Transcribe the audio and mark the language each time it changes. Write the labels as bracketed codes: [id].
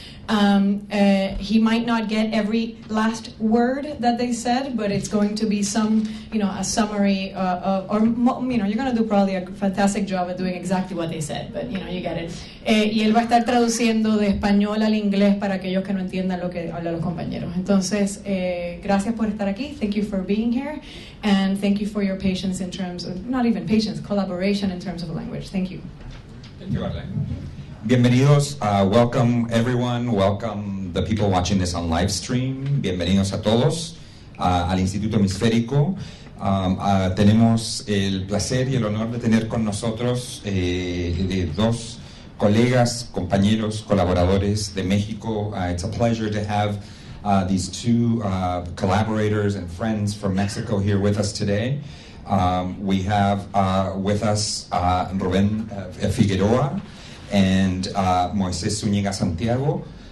[en] He might not get every last word that they said, but it's going to be some, you know, a summary you're going to do probably a fantastic job at doing exactly what they said, but you know, you get it. [es] Y él va a estar traduciendo de español al inglés para aquellos que no entiendan lo que hablan los compañeros. Entonces, gracias por estar aquí. [en] Thank you for being here, and thank you for your patience in terms of, not even patience, collaboration in terms of language. Thank you. Thank you, Arlen. Bienvenidos, welcome everyone, welcome the people watching this on live stream. [es] Bienvenidos a todos al Instituto Hemisférico. Tenemos el placer y el honor de tener con nosotros dos colegas, compañeros, colaboradores de México. [en] It's a pleasure to have these two collaborators and friends from Mexico here with us today. We have with us Rubén Figueroa and Moisés Zúñiga Santiago.